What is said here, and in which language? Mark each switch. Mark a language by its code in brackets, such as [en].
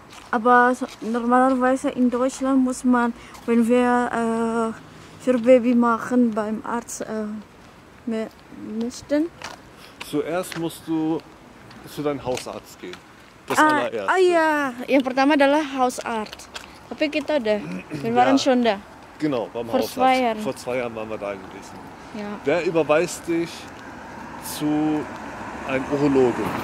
[de] Aber normalerweise in Deutschland muss man, wenn wir für Baby machen, beim Arzt möchten. Zuerst musst du zu deinem Hausarzt gehen. Das allererste. [id] Ah ja, yang pertama adalah Hausarzt. Tapi kita udah, [de] wir waren schon da. Genau, beim vor Hausarzt. Vor 2 Jahren waren wir da gewesen. Ja. Der überweist dich zu einem Urologen.